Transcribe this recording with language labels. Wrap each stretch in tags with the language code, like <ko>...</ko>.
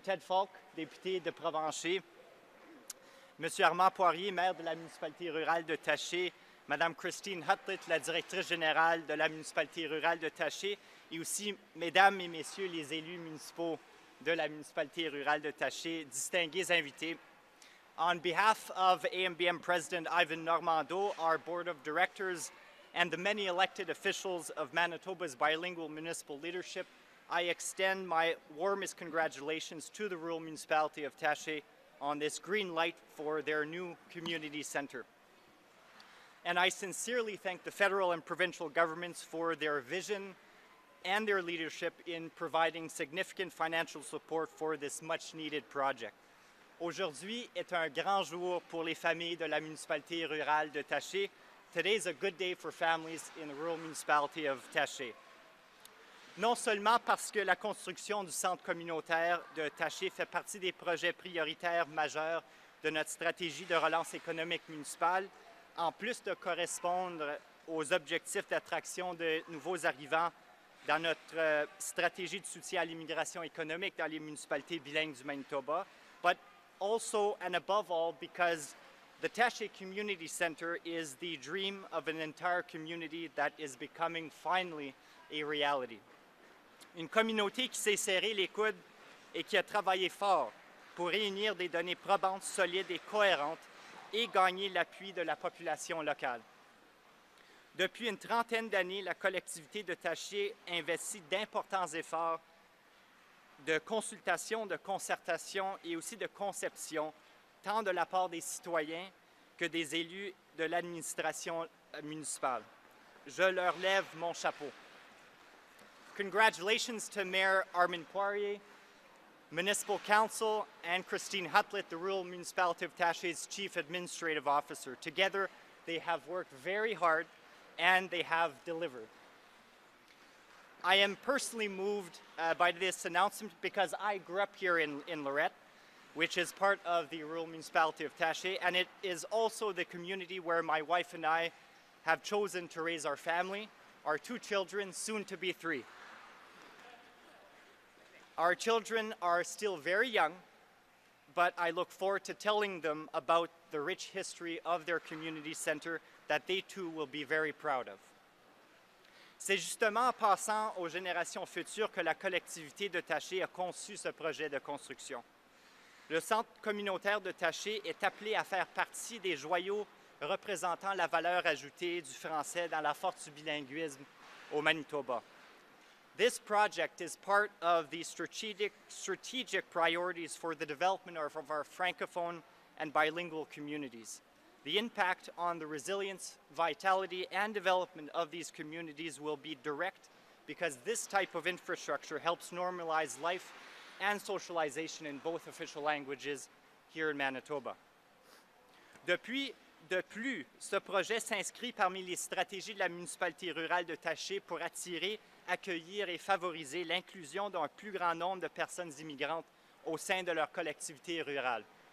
<fr>Ted Falk, député de Provencher. Monsieur Armand Poirier, maire de la municipalité rurale de Taché. Madame Christine Hutlett, la directrice générale de la municipalité rurale de Taché. Et aussi, mesdames et messieurs les élus municipaux de la municipalité rurale de Taché, distingués invités.</fr> <en>On behalf of AMBM President Ivan Normando, our board of directors, and the many elected officials of Manitoba's bilingual municipal leadership, I extend my warmest congratulations to the Rural Municipality of Taché on this green light for their new community center. And I sincerely thank the federal and provincial governments for their vision and their leadership in providing significant financial support for this much-needed project.</en> <fr>Aujourd'hui est un grand jour pour les familles de la municipalité rurale de Taché.</fr> <en>Today is a good day for families in the rural municipality of Taché.</en> <fr>Non seulement parce que la construction du centre communautaire de Taché fait partie des projets prioritaires majeurs de notre stratégie de relance économique municipale, en plus de correspondre aux objectifs d'attraction de nouveaux arrivants dans notre stratégie de soutien à l'immigration économique dans les municipalités bilingues du Manitoba,</fr> <en>but also and above all because The Taché Community Center is the dream of an entire community that is becoming finally a reality.</en> <fr>Une communauté qui s'est serré les coudes et qui a travaillé fort pour réunir des données probantes, solides et cohérentes et gagner l'appui de la population locale. Depuis une trentaine d'années, la collectivité de Taché investit d'importants efforts de consultation, de concertation et aussi de conception, tant de la part des citoyens que des élus de l'administration municipale. Je leur lève mon chapeau.</fr> <en>Congratulations to Mayor Armand Poirier, Municipal Council, and Christine Hutlett, the Rural Municipality of Taché's Chief Administrative Officer. Together, they have worked very hard and they have delivered. I am personally moved by this announcement because I grew up here in Lorette, which is part of the Rural Municipality of Taché, and it is also the community where my wife and I have chosen to raise our family, our two children, soon to be three. Our children are still very young, but I look forward to telling them about the rich history of their community center that they too will be very proud of.</en> <fr>C'est justement en passant aux générations futures que la collectivité de Taché a conçu ce projet de construction. Le centre communautaire de Taché est appelé à faire partie des joyaux représentant la valeur ajoutée du français dans la force du bilinguisme au Manitoba.</fr> <en>This project is part of the strategic priorities for the development of our francophone and bilingual communities. The impact on the resilience, vitality, and development of these communities will be direct because this type of infrastructure helps normalize life and socialization in both official languages here in Manitoba.</en> <fr>De plus, ce projet s'inscrit parmi les stratégies de la municipalité rurale de Taché pour attirer, accueillir et favoriser l'inclusion d'un plus grand nombre de personnes immigrantes au sein de leur collectivité rurale.</fr>